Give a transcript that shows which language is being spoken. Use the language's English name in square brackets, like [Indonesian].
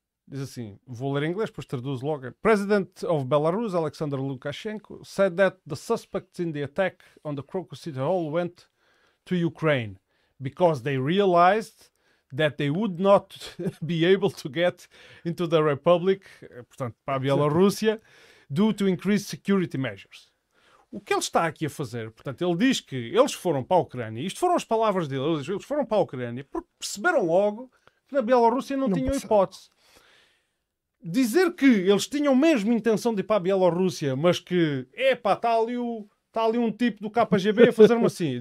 [Portuguese] Diz assim, vou ler em inglês, depois traduzo logo. [English] President of Belarus, Alexander Lukashenko, said that the suspects in the attack on the Krokus City Hall went to Ukraine because they realized that they would not be able to get into the Republic, [Portuguese] portanto, para a Bielorrússia, [English] due to increased security measures. [Portuguese] O que ele está aqui a fazer, portanto, ele diz que eles foram para a Ucrânia, isto foram as palavras dele, eles foram para a Ucrânia, porque perceberam logo que na Bielorrússia não tinham hipótese. Dizer que eles tinham mesmo intenção de ir para a Bielorrússia, mas que, epá, está ali um tipo do KGB a fazer-me assim.